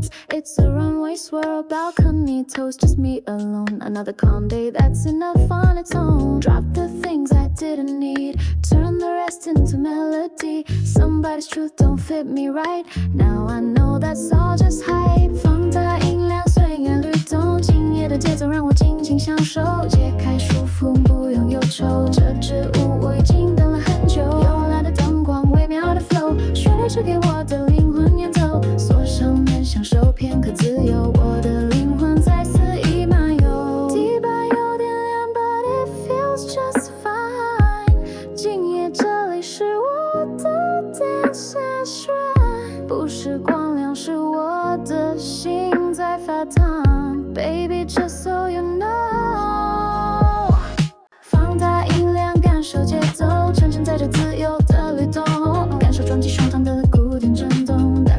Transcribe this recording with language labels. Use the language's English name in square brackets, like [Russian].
[English] It's a runway swirl, balcony toast, just me alone. Another calm day that's enough on its own. Drop the things I didn't need, turn the rest into melody. Somebody's truth don't fit me right. Now I know that's all just hype. [Chinese] 放大音量，随意律动，今夜的节奏让我尽情享受，解开束缚，不用忧愁，这支舞我已经等了很久。慵懒的灯光，微妙的 flow， 旋律是给我的灵魂演奏，锁上门，享受片刻自由，我的灵魂在肆意漫游。地板有点凉， [English] but it feels just fine。 [Chinese] 今夜这里是我的 dance session， 不是光亮，是我的心在发烫。 [English] Baby just so you know。 [Chinese] 放大音量，感受节奏，沉浸在这自由的律动，感受撞击胸膛的鼓点震动。